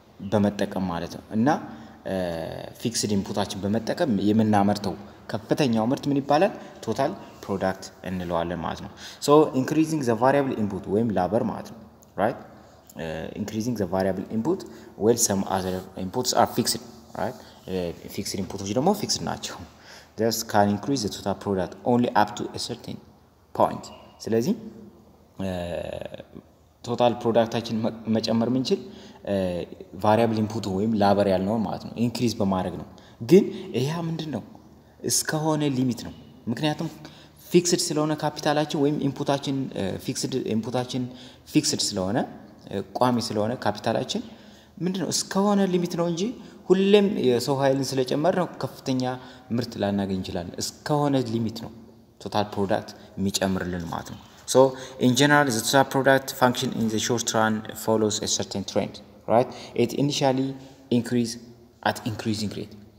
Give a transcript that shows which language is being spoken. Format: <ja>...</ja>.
<am>በመጠቀም ማለት ነው እና fixed inputአችን በመጠቀም የምናመርተው ከፍተኛው ምርት ምን ይባላል total product እንለዋለን ማለት ነው</am> <en>so increasing the variable input ወይም labor ማለት ነው right increasing the variable input while some other inputs are fixed right</en> <am>fixed inputዎች ደግሞ fixed ናቸው</am> <en>thus can increase the total product only up to a certain point</en> <am>ስለዚህ total productአችን መጨመር ምን ይችላል variable input ወይም labor ያልነው ማለት ነው increase በማድረግ ነው ግን ይሄ ምንድነው እስከ ሆነ ሊሚት ነው ምክንያቱም fixed ስለሆነ ካፒታላችን ወይም inputአችን fixed inputአችን fixed ስለሆነ ቋሚ ስለሆነ ካፒታላችን ምንድነው እስከ ሆነ ሊሚት ነው እንጂ ሁሌም የሰው ኃይልን ስለጨመረው ከፍተኛ ምርት ላናገኝ ይችላል እስከ ሆነ ሊሚት ነው total product የሚጨምርልን ማለት ነው</am> <en>So in general, the top product function in the short run follows a certain trend, right? It initially increases at increasing rate.</en>